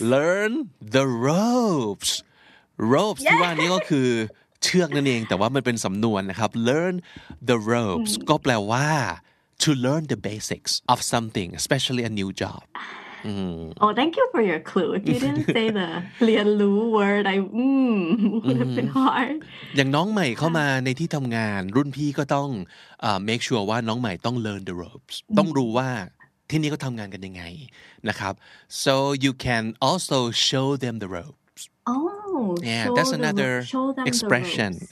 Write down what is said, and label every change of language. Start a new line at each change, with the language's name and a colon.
English: Learn the ropes. Ropes
Thai: ที่ว่านี้ก็คือ ชือกนั่นเองแต่ว่ามันเป็นสำนวนนะครับ
English: learn the ropes
Thai: ก็แปลว่า
English: to learn the basics of something especially a new job oh thank you for your clue if you didn't say the เรียนรู้ word I would have been hard
Thai: อย่างน้องใหม่เข้ามาในที่ทำงานรุ่นพี่ก็ต้อง make sure ว่าน้องใหม่ต้อง learn the ropes ต้องรู้ว่าที่นี่เขาทำงานกันยังไงนะครับ
English: so you can also show them the ropes Oh, yeah, that's another expression.